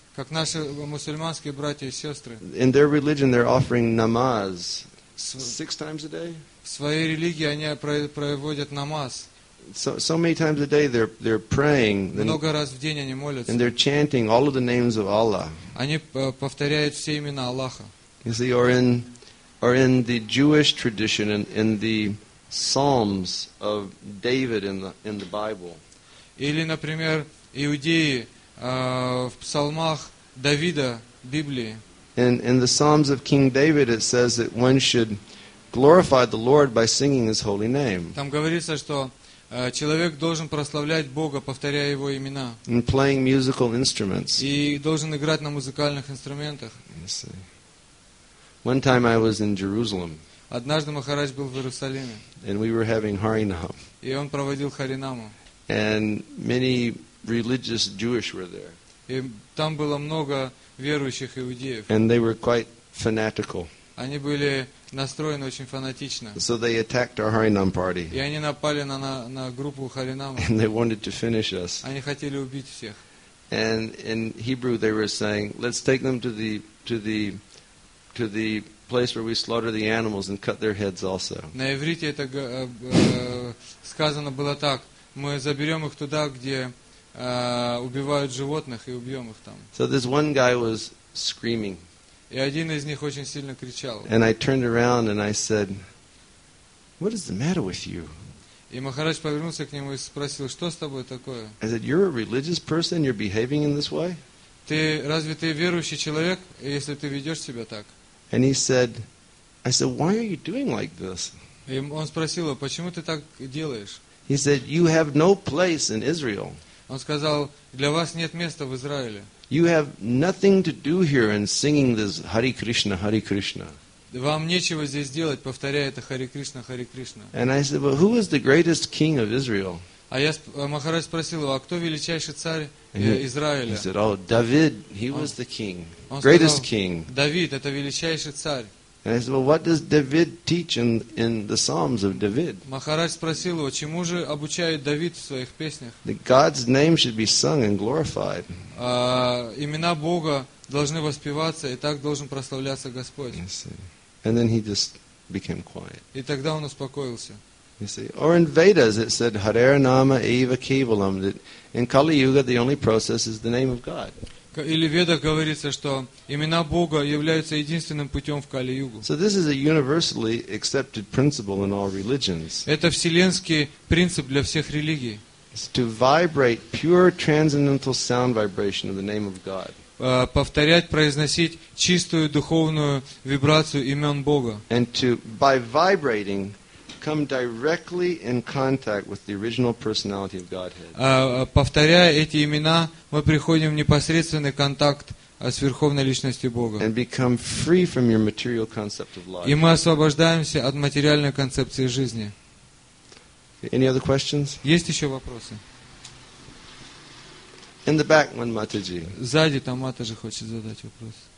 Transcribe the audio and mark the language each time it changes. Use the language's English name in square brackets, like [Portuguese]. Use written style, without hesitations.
[Russian] Как наши мусульманские братья и сестры. [English] In their religion, they're offering namaz six times a day. [Russian] В своей религии они проводят намаз. [English] So many times a day they're praying. [Russian] Много раз в день они молятся. [English] And they're chanting all of the names of Allah. [Russian] Они повторяют все имена Аллаха. [English] You see, or in the Jewish tradition, in the Psalms of David in the Bible. [Russian] Или, например, иудеи. В псалмах Давида, Библии. [English] In the Psalms of King David, it says that one should glorify the Lord by singing His holy name. [Russian] Там говорится, что человек должен прославлять Бога, повторяя Его имена. [English] And playing musical instruments. [Russian] И должен играть на музыкальных инструментах. [English] One time I was in Jerusalem. [Russian] Однажды Махарадж был в Иерусалиме. [English] And we were having Харинам. [Russian] И он проводил Харинаму. [English] And many religious Jewish were there. [Russian] И там было много верующих иудеев. [English] And they were quite fanatical. [Russian] Они были настроены очень фанатично. [English] So they attacked our Harinam party. [Russian] И они напали на группу Харинама. [English] And they wanted to finish us. [Russian] Они хотели убить всех. [English] And in Hebrew they were saying, "Let's take them to the place where we slaughter the animals and cut their heads also." [Russian] На иврите это сказано было так: мы заберем их туда, где убивают животных, и убьем их там. [English] So this one guy was screaming. [Russian] И один из них очень сильно кричал. [English] And I turned around and I said, "What is the matter with you?" [Russian] И Махарадж повернулся к нему и спросил: "Что с тобой такое?" [English] I said, "You're a religious person, you're behaving in this way?" [Russian] Ты разве ты верующий человек, если ты ведешь себя так? [English] And he said, I said, "Why are you doing like this?" [Russian] И он спросил его: "Почему ты так делаешь?" [English] He said, "You have no place in Israel." [Russian] Он сказал: "Для вас нет места в Израиле. [English] You have nothing to do here in singing this Hare Krishna, Hare Krishna." [Russian] Вам нечего здесь делать, повторяя это Hare Krishna, Hare Krishna. [English] And I said, "Well, who is the greatest king of Israel?" [Russian] А я Махарадж спросил его: "А кто величайший царь Израиля?" [English] He said, "Oh, David, he was the king, greatest king." [Russian] Давид это величайший царь. [English] And I said, "Well, what does David teach in the Psalms of David?" [Russian] Махарадж спросил его: "Чему же обучает Давид в своих песнях?" [English] That God's name should be sung and glorified. [Russian] Имена Бога должны воспеваться, и так должен прославляться Господь. [English] And then he just became quiet. [Russian] И тогда он успокоился. [English] You see, or in Vedas it said Hare Nama Eva Kevalam, that in Kali Yuga the only process is the name of God. [Russian] Или в Ведах говорится, что имена Бога являются единственным путем в Кали-югу. [English] So this is a universally accepted principle in all religions. [Russian] Это вселенский принцип для всех религий. [English] It's to vibrate pure transcendental sound vibration of the name of God. [Russian] Повторять, произносить чистую духовную вибрацию имен Бога. [English] And to, by vibrating, come directly in contact with the original personality of Godhead. [Russian] Повторяя эти имена, мы приходим в непосредственный контакт с верховной личностью Бога. [English] And become free from your material concept of life. [Russian] И мы освобождаемся от материальной концепции жизни. [English] Any other questions? [Russian] Есть еще вопросы? [English] In the back, one Mataji. [Russian] Сзади там Матаджи хочет задать вопрос.